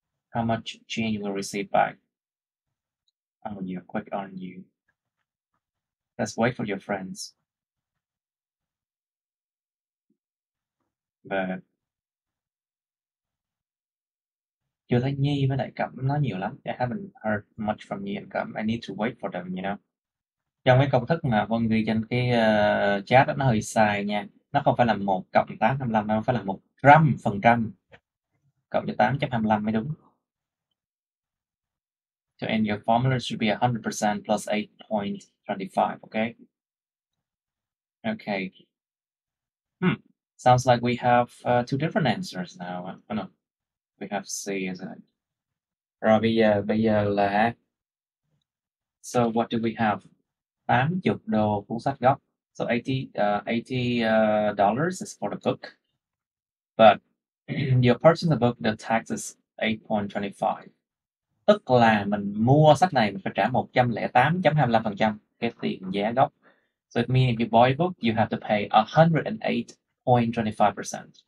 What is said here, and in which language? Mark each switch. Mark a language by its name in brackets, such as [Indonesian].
[English] How much change you will receive back? I'm gonna be quick on you. Let's wait for your friends. [Vietnamese] Chưa thấy Nhi với Đại Cẩm nói nhiều lắm. [English] I haven't heard much from Nhi and Cẩm. I need to wait for them, you know. [Vietnamese] Trong cái công thức mà Vân ghi trên cái chat đó, nó hơi sai nha. Nó không phải là 1 cộng 8.25, nó phải là 100% cộng cho 8.25 mới đúng. [English] So and your formula should be 100% plus 8.25, okay? Okay. Sounds like we have two different answers now. Oh no, we have C, isn't it? [Vietnamese] Rồi bây giờ là, [English] so what do we have? [Vietnamese] 80 đô cuốn sách gốc. [English] So $80 is for the book, but your purchase the book, the tax is 8.25. [Vietnamese] Tức là mình mua sách này mình phải trả 108.25% cái tiền giá gốc. [English] So it means if you buy a book, you have to pay 108.25%.